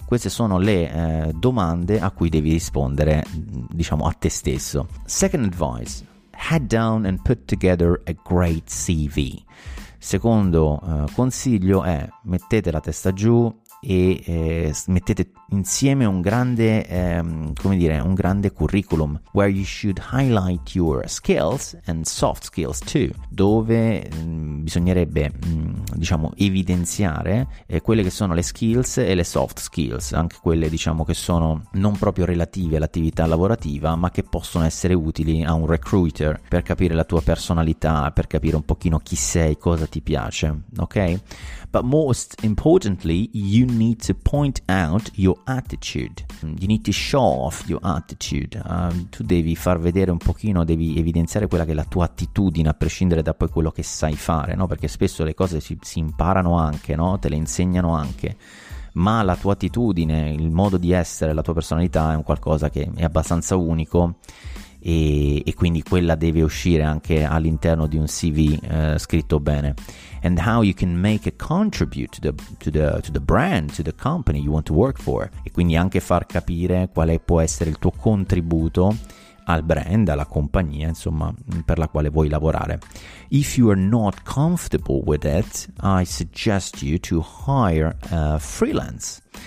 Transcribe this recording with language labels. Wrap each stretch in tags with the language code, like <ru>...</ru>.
<it>Queste sono le domande a cui devi rispondere, a te stesso.</it> <en>Second advice, head down and put together a great CV.</en> <it>Secondo consiglio è mettete la testa giù e mettete insieme un grande un grande curriculum,</it> <en>where you should highlight your skills and soft skills too,</en> <it>dove bisognerebbe evidenziare quelle che sono le skills e le soft skills, anche quelle che sono non proprio relative all'attività lavorativa ma che possono essere utili a un recruiter per capire la tua personalità, per capire un pochino chi sei, cosa ti piace, ok?</it> <en>But most importantly, you need to point out your attitude. You need to show off your attitude.</en> <it>Tu devi far vedere un pochino, devi evidenziare quella che è la tua attitudine, a prescindere da poi quello che sai fare, no? Perché spesso le cose si imparano anche, no? Te le insegnano anche. Ma la tua attitudine, il modo di essere, la tua personalità è un qualcosa che è abbastanza unico. E quindi quella deve uscire anche all'interno di un CV scritto bene.</it> <en>And how you can make a contribute to the brand, to the company you want to work for.</en> <it>E quindi anche far capire quale può essere il tuo contributo al brand, alla compagnia, per la quale vuoi lavorare.</it> <en>If you are not comfortable with it, I suggest you to hire a freelance.</en>